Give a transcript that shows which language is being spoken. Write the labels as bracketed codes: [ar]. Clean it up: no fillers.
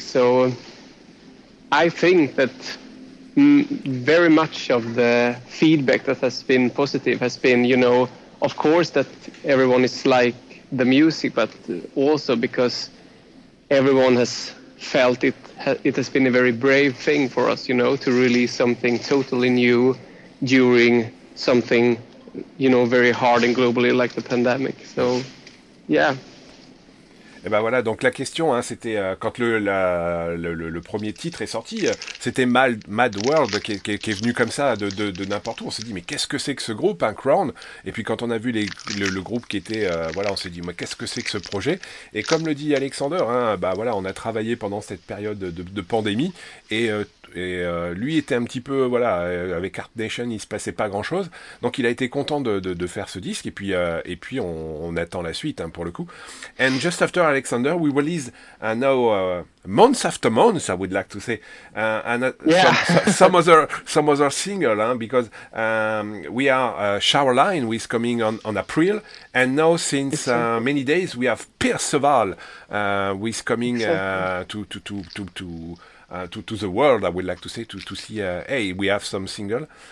[en] So I think that very much of the feedback that has been positive has been, you know, of course that everyone is like the music, but also because everyone has felt it has been a very brave thing for us, you know, to release something totally new during something, you know, very hard and globally like the pandemic. So, yeah. [fr] Et ben voilà, donc la question, hein, c'était quand le premier titre est sorti, c'était Mad World qui est venu comme ça de n'importe où. On s'est dit, mais qu'est-ce que c'est que ce groupe, hein, Crown? Et puis quand on a vu le groupe qui était, voilà, on s'est dit, mais qu'est-ce que c'est que ce projet? Et comme le dit Alexander, hein, ben voilà, on a travaillé pendant cette période de pandémie et lui était un petit peu, voilà, avec Art Nation, il se passait pas grand-chose. Donc il a été content de faire ce disque et puis on attend la suite, hein, pour le coup. [en] And just after Alexander, we released months after months, I would like to say, some other single, hein, because we are Shower Line, who is coming on April, and now since many days we have Perceval, who is coming to the world, I would like to say, to see, hey, we have some single.